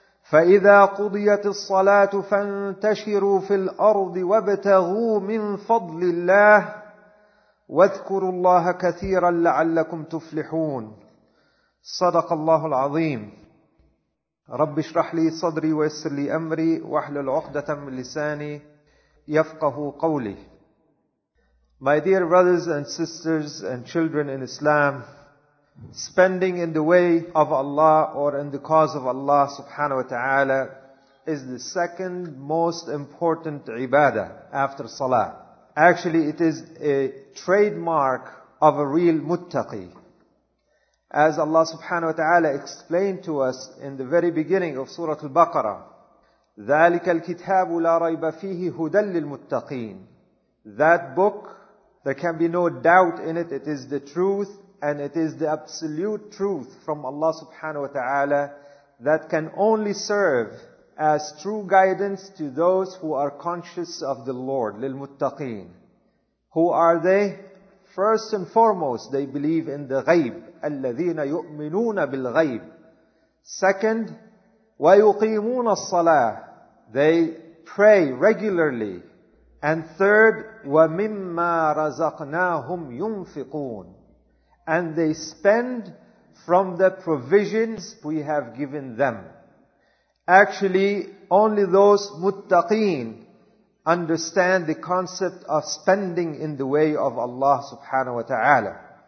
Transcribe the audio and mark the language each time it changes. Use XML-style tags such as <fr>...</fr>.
<ar>فإذا قضيت الصلاة فانتشروا في الأرض وابتغوا من فضل الله واذكروا الله كثيرا لعلكم تفلحون. صدق الله العظيم. رب اشرح لي صدري ويسر لي أمري واحلل عقدة من لساني يفقه قولي.</ar> <en>My dear brothers and sisters and children in Islam, spending in the way of Allah or in the cause of Allah subhanahu wa ta'ala is the second most important ibadah after salah. Actually, it is a trademark of a real muttaqi. As Allah subhanahu wa ta'ala explained to us in the very beginning of Surah Al-Baqarah,</en> <ar>ذَلِكَ الْكِتَابُ لَا رَيْبَ فِيهِ هُدًى لِلْمُتَّقِينَ.</ar> <en>That book, there can be no doubt in it, it is the truth, and it is the absolute truth from Allah subhanahu wa ta'ala that can only serve as true guidance to those who are conscious of the Lord, للمتقين. Who are they? First and foremost, they believe in the غيب.</en> <ar>الَّذِينَ يُؤْمِنُونَ بِالْغَيْبِ.</ar> <en>Second,</en> <ar>وَيُقِيمُونَ الصَّلَاةِ.</ar> <en>They pray regularly. And third,</en> <ar>وَمِمَّا رَزَقْنَاهُمْ يُنْفِقُونَ.</ar> <en>And they spend from the provisions we have given them. Actually, only those muttaqeen understand the concept of spending in the way of Allah subhanahu wa ta'ala.</en>